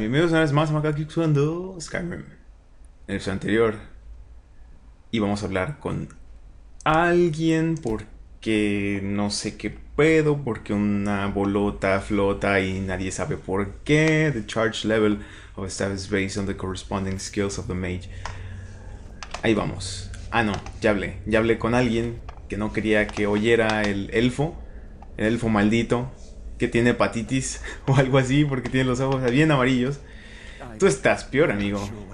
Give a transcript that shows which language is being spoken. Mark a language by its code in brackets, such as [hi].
[es] Bienvenidos una vez más a Macaque usando Skyrim. En el episodio anterior. Y vamos a hablar con alguien porque no sé qué pedo, porque una bolota flota y nadie sabe por qué. [en] The charge level of a staff is based on the corresponding skills of the mage. [es] Ahí vamos. Ah, no, ya hablé. Ya hablé con alguien que no quería que oyera el elfo. El elfo maldito. Que tiene hepatitis o algo así, porque tiene los ojos bien amarillos. Tú estás peor, amigo.